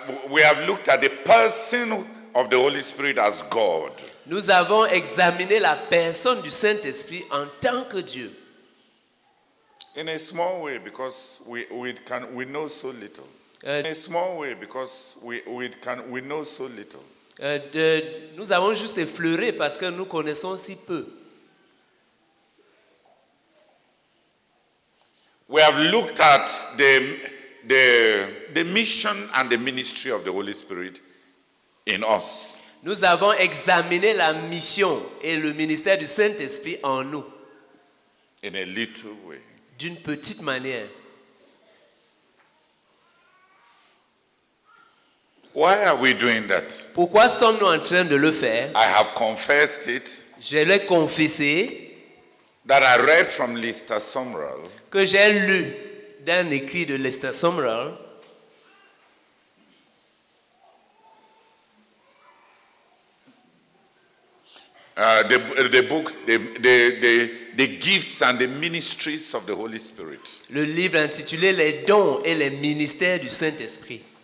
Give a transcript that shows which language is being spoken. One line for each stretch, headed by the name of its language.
English: we have looked at the person of the Holy Spirit as God.
French: Nous avons examiné la personne du Saint-Esprit en tant que Dieu.
English: In a small way, because we know so little. In a small way, because we know so little.
French: Nous avons juste effleuré parce que nous connaissons si peu.
English: We have looked at the mission and the ministry of the Holy Spirit in us.
French: Nous avons examiné la mission et le ministère du Saint-Esprit en nous.
English: In a little way.
French: D'une petite manière.
English: Why are we doing that?
French: Pourquoi sommes-nous en train de le faire?
English: I have confessed it.
French: Je l'ai confessé.
English: That I read from Lister Sumrall.
French: Que j'ai lu d'un écrit de Lister Sumrall.
English: The book, the gifts and the ministries of the Holy Spirit.
French: Le livre intitulé Les dons et les ministères du Saint-Esprit.